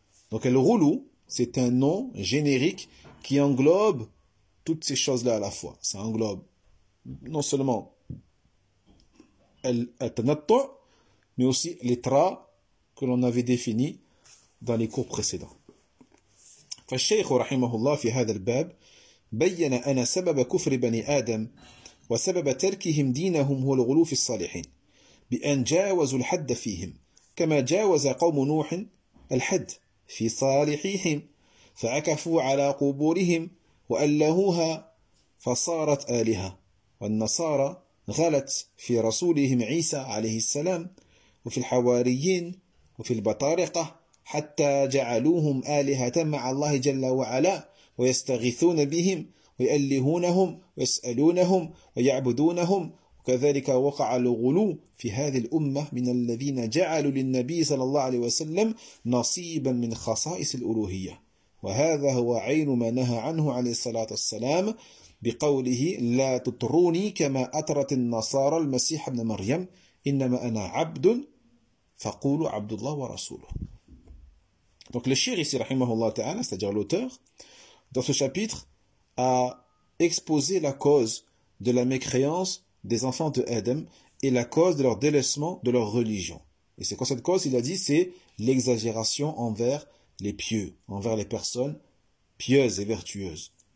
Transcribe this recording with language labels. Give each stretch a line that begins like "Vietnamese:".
French: Donc al-ghulu, c'est un nom générique qui englobe toutes ces choses-là à la fois. Ça englobe non seulement al-tanattu', mais aussi l'itra, que l'on avait défini dans les cours précédents.
Arabic: فالشيخ رحمه الله في هذا الباب بين أن سبب كفر بني آدم وسبب تركهم دينهم هو الغلو في الصالحين بأن جاوزوا الحد فيهم كما جاوز قوم نوح الحد في صالحيهم فعكفوا على قبورهم وألهوها فصارت آلهة والنصارى غلت في رسولهم عيسى عليه السلام وفي الحواريين وفي البطارقة، حتى جعلوهم آلهة مع الله جل وعلا، ويستغيثون بهم ويألهونهم ويسألونهم ويعبدونهم. وكذلك وقع الغلو في هذه الأمة من الذين جعلوا للنبي صلى الله عليه وسلم نصيبا من خصائص الألوهية، وهذا هو عين ما نهى عنه عليه الصلاة والسلام بقوله: لا تطروني كما أطرت النصارى المسيح ابن مريم، إنما أنا عبد فقولوا عبد الله ورسوله.
French: Donc le shir ici, rahimahullah ta'ala, c'est-à-dire l'auteur, dans ce chapitre, a exposé la cause de la mécréance des enfants de Adam et la cause de leur délaissement de leur religion. Et c'est quoi cette cause? Il a dit, c'est l'exagération envers les pieux, envers les personnes pieuses et vertueuses.